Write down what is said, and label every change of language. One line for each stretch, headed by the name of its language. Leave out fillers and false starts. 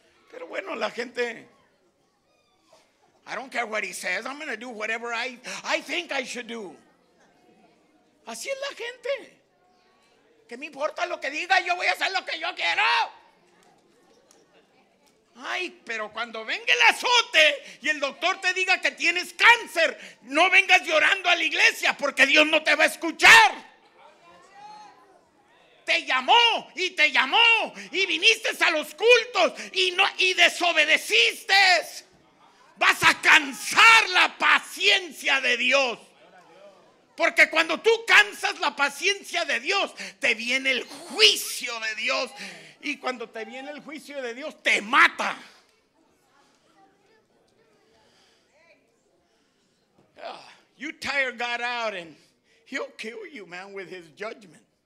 Spanish: Pero bueno, la gente,
English: I don't care what he says, I'm going to do whatever I think I should do.
Spanish: Así es la gente. ¿Qué me importa lo que diga? Yo voy a hacer lo que yo quiero. ay, pero cuando venga el azote y el doctor te diga que tienes cáncer, no vengas llorando a la iglesia porque Dios no te va a escuchar. Te llamó y te llamó y viniste a los cultos y no, y desobedeciste. Vas a cansar la paciencia de Dios. Porque cuando tú cansas la paciencia de Dios, te viene el juicio de Dios. Y cuando te viene el juicio de Dios, te mata.
English: Oh, you tire God out and he'll kill you, man, with his judgment.